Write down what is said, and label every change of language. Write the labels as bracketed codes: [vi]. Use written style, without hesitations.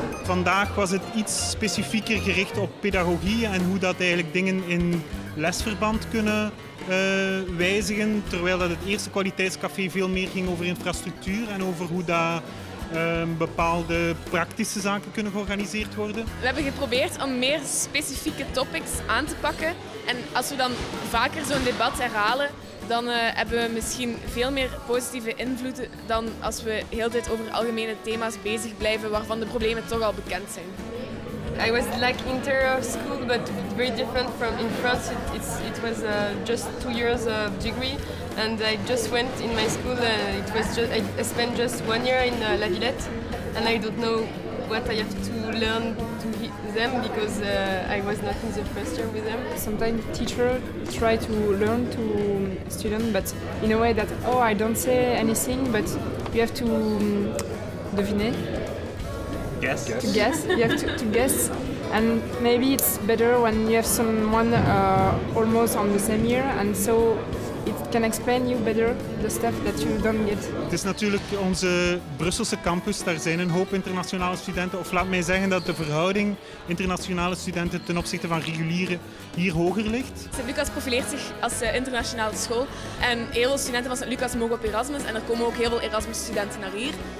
[nl] Vandaag was het iets specifieker gericht op pedagogie en hoe dat eigenlijk dingen in lesverband kunnen wijzigen, terwijl dat het eerste kwaliteitscafé veel meer ging over infrastructuur en over hoe dat bepaalde praktische zaken kunnen georganiseerd worden. We hebben geprobeerd om meer specifieke topics aan te pakken en als we dan vaker zo'n debat herhalen, dan hebben we misschien veel meer positieve invloeden dan als we heel de tijd over algemene thema's bezig blijven waarvan de problemen toch al bekend zijn. [en] I was like interior school, but very different from in France. It was just 2 years of degree, and I just went in my school. I spent just 1 year in La Villette, and I don't know what I have to learn to them because I was not in the first year with them. Sometimes teachers try to learn to students, but in a way that I don't say anything, but you have to deviner. You have to guess, and maybe it's better when you have someone almost on the same year, and so it can explain you better the stuff that you don't get. [nl] Het is natuurlijk onze Brusselse campus, daar zijn een hoop internationale studenten, of laat mij zeggen dat de verhouding internationale studenten ten opzichte van reguliere hier hoger ligt. Sint-Lucas profileert zich als internationale school en heel veel studenten van Sint-Lucas mogen op Erasmus en er komen ook heel veel Erasmus studenten naar hier.